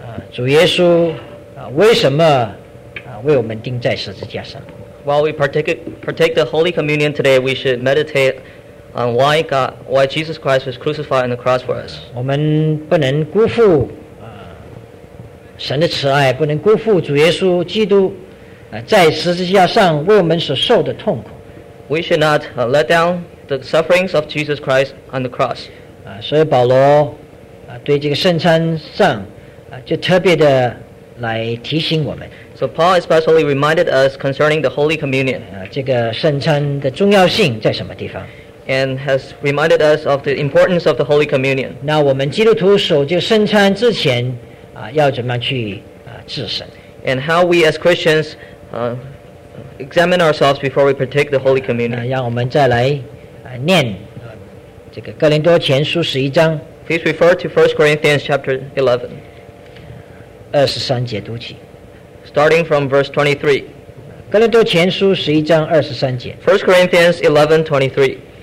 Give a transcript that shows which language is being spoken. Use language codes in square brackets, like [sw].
[zh] 主耶稣为什么为我们钉在十字架上？ [en] While we partake the Holy Communion today, we should meditate on why Jesus Christ was crucified on the cross for us. [zh] 我们不能辜负神的慈爱，不能辜负主耶稣基督在十字架上为我们所受的痛苦。 [en] We should not let down the sufferings of Jesus Christ on the cross. [zh] 所以保罗对这个圣餐上就特别的来提醒我们。 [en] So Paul especially reminded us concerning the Holy Communion. [zh] 这个圣餐的重要性在什么地方？ [en] And has reminded us of the importance of the Holy Communion. [zh] 那我们基督徒守这个圣餐之前要怎么样去致神？ [en] And how we as Christians examine ourselves before we partake the Holy Communion. [zh] 那让我们再来念这个哥林多前书十一章。 [en] Please refer to 1 Corinthians chapter 11. [zh] 23节读起。 [en] Starting from verse 23。 [zh] 哥林多前书十一章二十三节。 [en] First Corinthians 11:23。